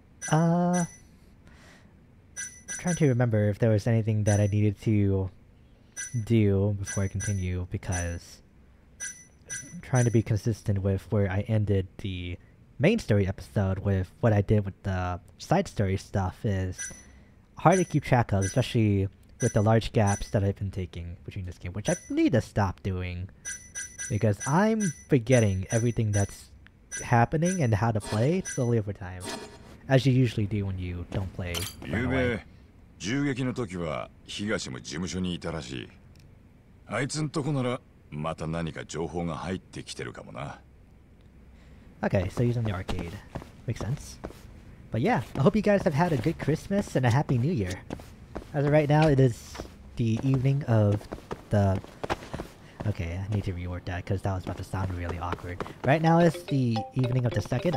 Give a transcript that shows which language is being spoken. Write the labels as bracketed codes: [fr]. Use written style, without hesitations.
[en] I'm trying to remember if there was anything that I needed to do before I continue, because trying to be consistent with where I ended the main story episode with what I did with the side story stuff is hard to keep track of, especially with the large gaps that I've been taking between this game, which I need to stop doing because I'm forgetting everything that's happening and how to play slowly over time, as you usually do when you don't play. [ja] 昨夜銃撃の時は東も事務所にいたらしい。あいつんとこならまた何か情報が入ってきてるかもな。 [en] Okay, so using the arcade. Makes sense. But yeah, I hope you guys have had a good Christmas and a happy new year. As of right now, it is the evening of the... Okay, I need to reword that because that was about to sound really awkward. Right now it's the evening of the 2nd.